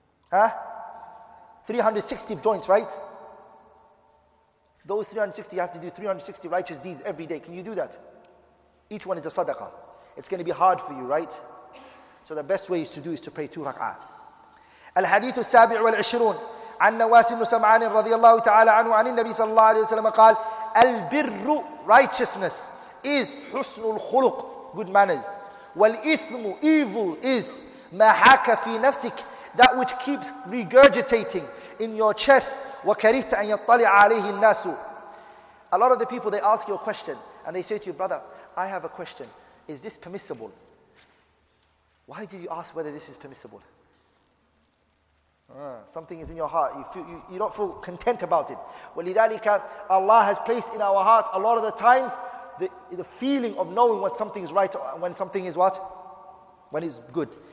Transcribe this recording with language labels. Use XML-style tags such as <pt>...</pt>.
<en>Huh? 360 joints, right? Those 360, you have to do 360 righteous deeds every day. Can you do that? Each one is a sadaqah. It's going to be hard for you, right? So the best way is to do is to pray two rak'ah.</en> <ar>الحديث السابع والعشرون عن نواس بن سمعان رضي الله تعالى عنه عن النبي صلى الله عليه وسلم قال البر righteousness is حسن الخلق, good manners.</ar> <en>والإثم evil is ما حاك في نفسك, that which keeps regurgitating in your chest.</en> <ar>وكرهت أن يطلع عليه الناس.</ar> <en>A lot of the people, they ask you a question and they say to you, brother, I have a question. Is this permissible? Why did you ask whether this is permissible? Something is in your heart. You don't feel content about it. وَلِذَلِكَ Allah has placed in our heart a lot of the times the feeling of knowing when something is right and when something is what? When it's good.</en>